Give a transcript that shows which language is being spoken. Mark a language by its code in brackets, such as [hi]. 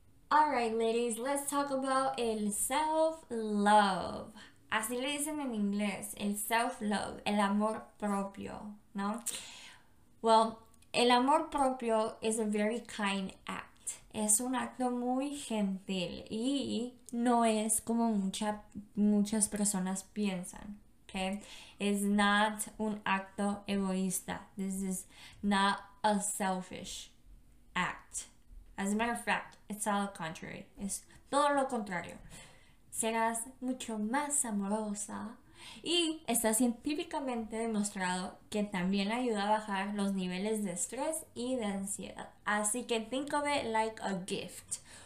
[en] All right, ladies, let's talk about el self-love. [es] Así le dicen en inglés, el self-love, el amor propio, ¿no? [en] Well, [es] el amor propio [en] is a very kind act. [es] Es un acto muy gentil y no es como muchas personas piensan, okay? [en] It's not [es] un acto egoísta. [en] This is not a selfish act. As a matter of fact, it's all the contrary. [es] Es todo lo contrario. Serás mucho más amorosa. Y está científicamente demostrado que también ayuda a bajar los niveles de estrés y de ansiedad. Así que [en] think of it like a gift.